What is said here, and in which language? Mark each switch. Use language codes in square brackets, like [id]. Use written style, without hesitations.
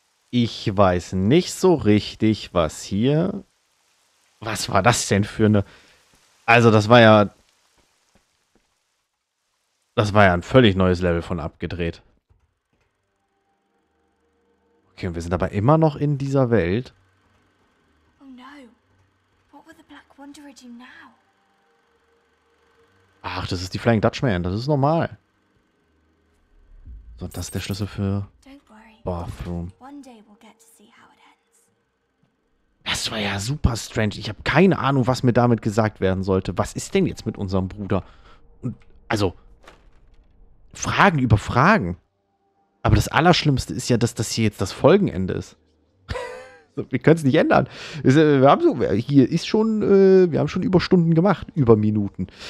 [de] Ich weiß nicht so richtig, was hier... Was war das denn für eine... Also, das war ja ein völlig neues Level von abgedreht. Okay, und wir sind aber immer noch in dieser Welt. [en] Oh no. What will the Black Wanderer do now? [de] Ach, das ist die Flying Dutchman. Das ist normal. So, das ist der Schlüssel für... Bathroom. [en] One day we'll get to see how it ends. [de] Das Das war ja super strange. Ich habe keine Ahnung, was mir damit gesagt werden sollte. Was ist denn jetzt mit unserem Bruder? Und also, Fragen über Fragen. Aber das Allerschlimmste ist ja, dass das hier jetzt das Folgenende ist. Wir können es nicht ändern. Wir haben so, hier ist schon, wir haben schon über Stunden gemacht, über Minuten.